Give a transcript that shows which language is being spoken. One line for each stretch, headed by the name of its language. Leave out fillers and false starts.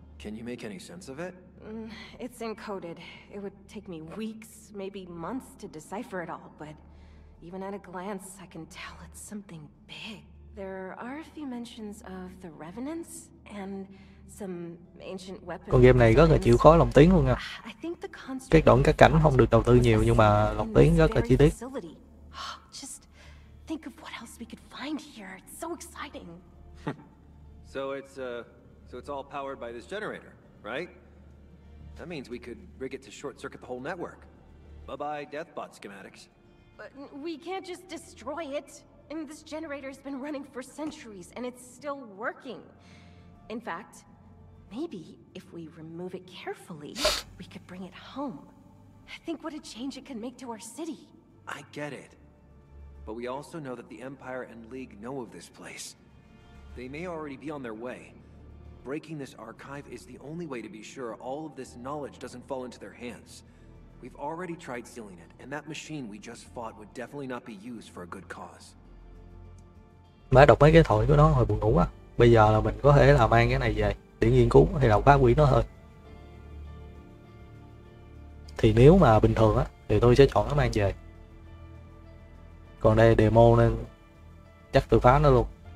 English: Can you make any sense of it? It's encoded. It would take me weeks, maybe months to decipher it all, but even at a glance, I can tell it's something big. There are a few mentions of the Revenants and some ancient weapons.
Vietnamese: Con game này rất là chịu khó lồng tiếng luôn à. Cái đoạn các cảnh không được đầu tư nhiều nhưng mà lồng tiếng rất là chi tiết.
English: Just think of what else we could find here. It's so exciting. So it's all powered by this generator, right? That means we could rig it to short circuit the whole network. Bye-bye Deathbot schematics. But we can't just destroy it. And this generator has been running for centuries, and it's still working. In fact, maybe if we remove it carefully, we could bring it home. Think what a change it could make to our city. I get it. But we also know that the Empire and League know of this place. They may already be on their way. Breaking this archive is the only way to be sure all of this knowledge doesn't fall into their hands. We've already tried stealing it, and that machine we just fought would definitely not be used for a good cause.
Vietnamese: Má đọc mấy cái thoại của nó hồi buồn ngủ quá. Bây giờ là mình có thể là mang cái này về để nghiên cứu hay là phá hủy nó thôi. Thì nếu mà bình thường á thì tôi sẽ chọn nó mang về. Còn đây demo nên chắc tôi phá nó luôn.